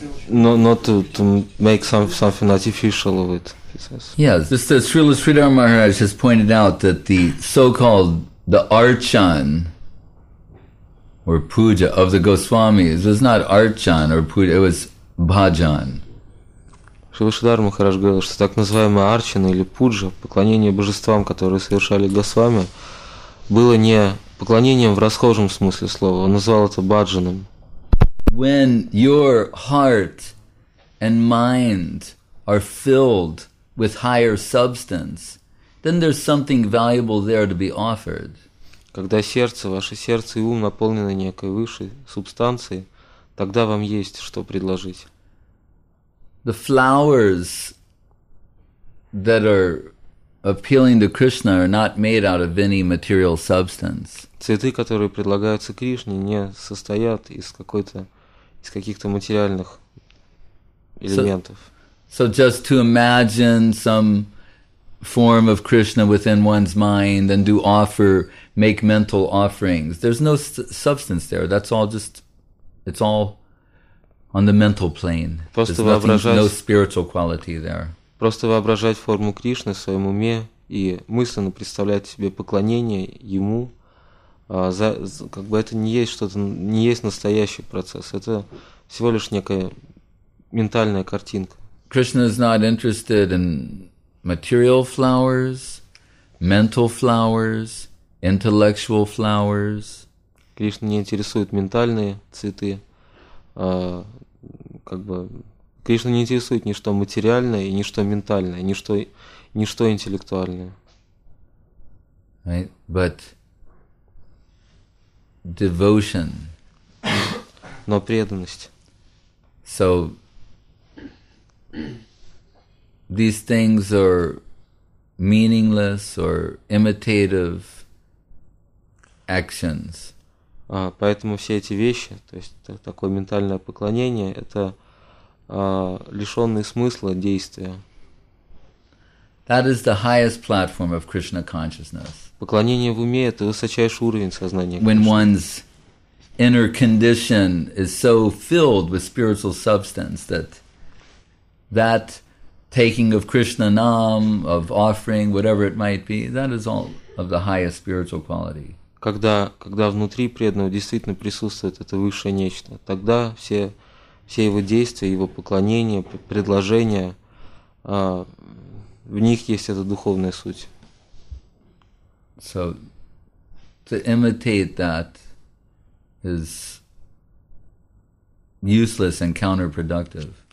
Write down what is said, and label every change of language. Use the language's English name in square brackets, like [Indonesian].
[English] Not to make something artificial of it, he says. Yes, just as Srila Sridhar Maharaj has pointed out that the so-called the archan or puja of the Goswamis was not archan or puja, it was bhajan. [Russian] Шрила Шридхар Махарадж говорил, что так называемая арчана или пуджа, поклонение божествам, которые совершали госвами, было не поклонением в расхожем смысле слова, он назвал это бхаджаном. [English] When your heart and mind are filled with higher substance, then there's something valuable there to be offered. [Russian] Когда сердце, ваше сердце и ум наполнены некой высшей субстанцией, тогда вам есть что предложить. [English] The flowers that are appealing to Krishna are not made out of any material substance. [Russian] Цветы, которые предлагаются Кришне, не состоят из какой-то, из каких-то материальных элементов. [English] So just to imagine some form of Krishna within one's mind and do offer, make mental offerings. There's no substance there. That's all just, it's all on the mental plane. [Russian] Просто [English] there's nothing, no spiritual quality there. [Russian] Просто воображать форму Кришны в своем уме и мысленно представлять себе поклонение ему, как бы это не есть что-то, не есть настоящий процесс. Это всего лишь некая ментальная картинка. [English] Krishna is not interested in material flowers, mental flowers, intellectual flowers. [Russian] Кришна не интересует ментальные цветы. Как бы Кришна не интересует ничто материальное и ничто ментальное, ничто интеллектуальное. [English] Right? But devotion. [Russian] Но преданность. [English] So these things are meaningless or imitative actions. [Russian] Поэтому все эти вещи, то есть такое ментальное поклонение, это лишённые смысла действия. [English] That is the highest platform of Krishna consciousness. [Russian] Поклонение в уме – это высочайший уровень сознания. [English] When one's inner condition is so filled with spiritual substance that taking of Krishna nam, of offering, whatever it might be, that is all of the highest spiritual quality. [Russian] Когда внутри преданного действительно присутствует это высшее нечто, тогда все его действия, его поклонения, предложения, в них есть эта духовная суть. [English] So, to imitate that is useless and counterproductive.